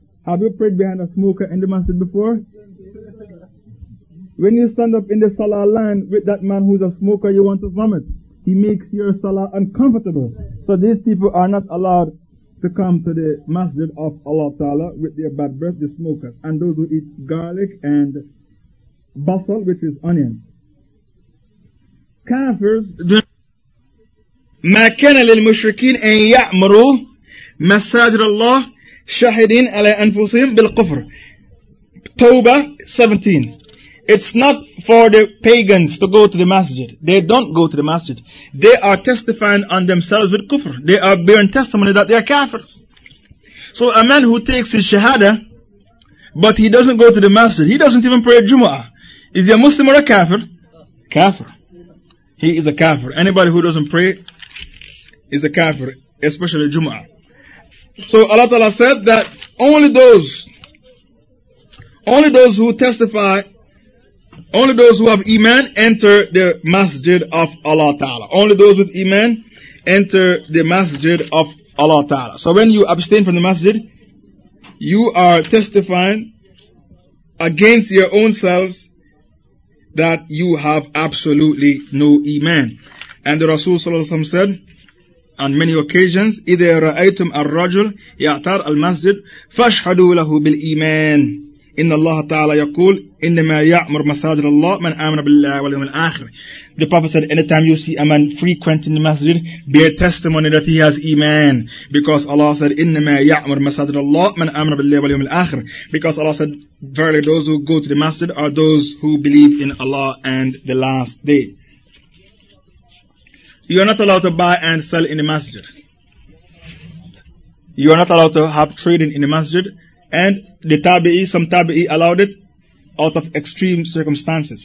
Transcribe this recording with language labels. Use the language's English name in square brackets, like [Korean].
[English] Have you prayed behind a smoker in the masjid before? When you stand up in the salah line with that man who's a smoker, you want to vomit. He makes your salah uncomfortable. So these people are not allowed to come to the masjid of Allah Ta'ala with their bad breath, the smokers, and those who eat garlic and basil, which is onion. Kafirs. [Arabic] ما كان للمشركين أن يعمروا مساجد الله شاهدين على أنفسهم بالكفر. [English] Tawbah 17. It's not for the pagans to go to the masjid. They don't go to the masjid. They are testifying on themselves with kufr. They are bearing testimony that they are kafirs. So a man who takes his shahada, but he doesn't go to the masjid, he doesn't even pray Jumu'ah, is he a Muslim or a kafir? Kafir. He is a kafir. Anybody who doesn't pray is a kafir, especially Jumu'ah. So Allah Ta'ala said that only those who testify, only those who have iman enter the masjid of Allah Ta'ala. Only those with iman enter the masjid of Allah Ta'ala. So when you abstain from the masjid, you are testifying against your own selves that you have absolutely no iman. And the Rasul Sallallahu Alaihi Wasallam said on many occasions, [Arabic] إِذَا رَأَيْتُمْ الرَّجُلِ يَعْتَرَ الْمَسْجِدِ فَاشْحَدُوا لَهُ بِالْإِيمَانِ إِنَّ اللَّهَ تَعَالَى يَقُولْ إِنَّمَا يَعْمُرْ مَسَاجِدَ اللَّهِ مَنْ آمَنَ بِاللَّهِ وَالْيَوْمِ الْآخِرِ. [English] The Prophet said, anytime you see a man frequenting the masjid, bear testimony that he has iman. Because Allah said, [Arabic] إِنَّمَا يَعْمُرْ مَسَاجِدَ اللَّهِ مَنْ آمَنَ بِاللَّهِ وَالْيَوْمِ الْآخِرِ. [English] Because Allah said, verily those who go to the masjid are those who believe in Allah and the last day. You are not allowed to buy and sell in the masjid. You are not allowed to have trading in the masjid. And the tabi'i, some tabi'i allowed it out of extreme circumstances.